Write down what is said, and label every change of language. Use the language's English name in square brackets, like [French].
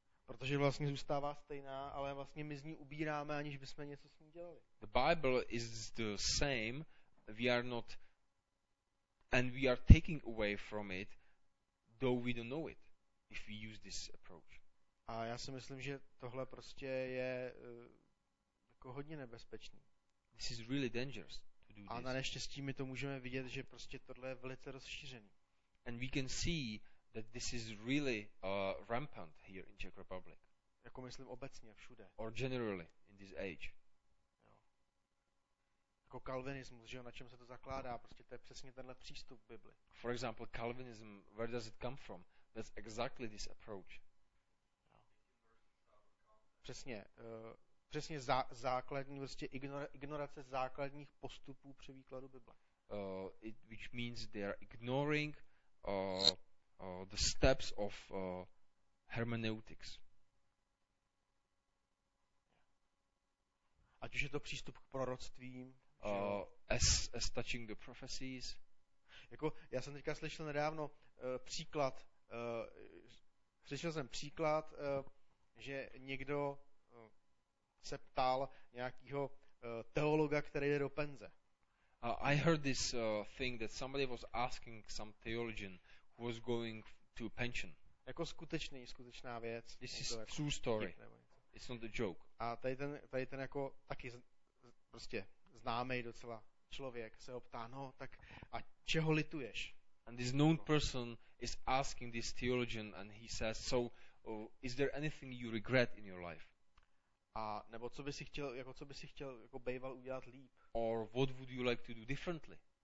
[Czech] Protože vlastně zůstává stejná, ale vlastně my z ní ubíráme, aniž bychom něco s ní dělali. [English] The Bible is the same. We are not, and we are taking away from it, though we don't know it, if we use this approach. [Czech] A já si myslím, že tohle prostě je jako hodně nebezpečný. [English] This is really dangerous to do a this. [Czech] A na neštěstí my to můžeme vidět, že prostě tohle je velice rozšířený. [English] And we can see that this is really rampant here in Czech Republic. [Czech] Jako myslím obecně, všude. [English] Or generally in this age. [Czech] Jako kalvinismus, že jo, na čem se to zakládá, prostě to je přesně tenhle přístup v Bibli. [English] For example, Calvinism, where does it come from? That's exactly this approach. No. [Czech] Přesně, přesně základní, prostě ignorace základních postupů při výkladu Bible. [English] Which means they are ignoring the steps of hermeneutics. [Czech] Ať už je to přístup k proroctvím, [English] as touching the prophecies. [Czech] Jako já jsem teďka slyšel nedávno příklad. Slyšel jsem příklad, že někdo se ptal nějakého teologa, který jde do penze. [English] I heard this thing that somebody was asking some theologian who was going to pension. [Czech] Jako skutečná věc. [English] This is true story. It's not a joke. [Czech] A tady ten jako taky prostě známej docela člověk se ho ptá, no tak a čeho lituješ? [English] And this known person is asking this theologian and he says, so is there anything you regret in your life? [Czech] A nebo co bys chtěl, jako co bys chtěl jako býval udělat líp? [English] Or what would you like to do differently?